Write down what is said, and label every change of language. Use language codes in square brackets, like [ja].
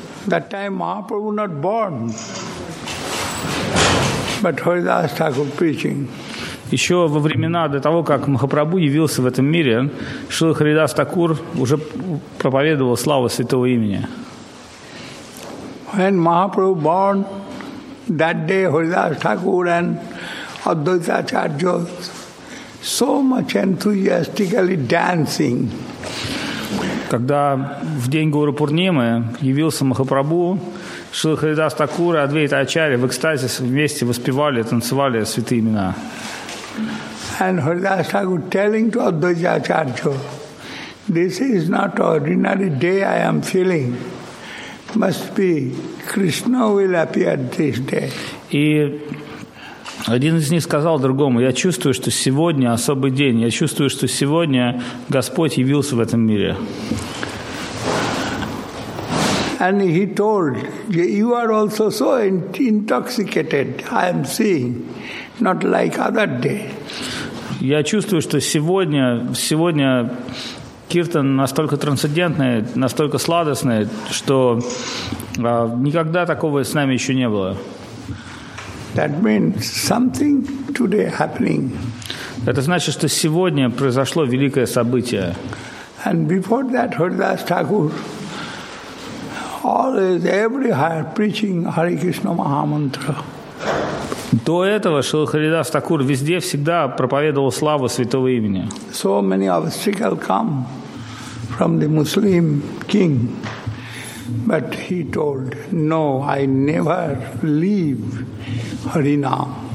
[en] That time Mahaprabhu not born but Haridas Thakur preaching. [ru] Еще во времена до того, как Махапрабху явился в этом мире, Шрила Харидас Такур уже проповедовал славу святого имени. [en] When Mahaprabhu born, that day Haridas Thakur and Advaita Acharya so much enthusiastically dancing. [ru] Когда в день Гауру Пурнимы явился Махапрабху, Шрила Харидас Такур и Адвайта Ачарья в экстазе вместе воспевали, танцевали святые имена. [en] And Haridas Thakur telling to Advaita Acharya, this is not ordinary day I am feeling. Must be Krishna will appear this day. [ru] И один из них сказал другому, я чувствую, что сегодня особый день. Я чувствую, что сегодня Господь явился в этом мире. [en] And he told, you are also so intoxicated, I am seeing, not like other day. [ru] Я чувствую, что сегодня киртан настолько трансцендентный, настолько сладостный, что никогда такого с нами еще не было. [en] That means something today happening. [ru] Это значит, что сегодня произошло великое событие. [en] And before that, Haridas Thakur always every heart preaching Hare Krishna Mahamantra. [ru] До этого Шрила Харидас Такур везде всегда проповедовал славу святого имени. [en] So many obstacles come from the Muslim king, but he told, "No, I never leave Harinam."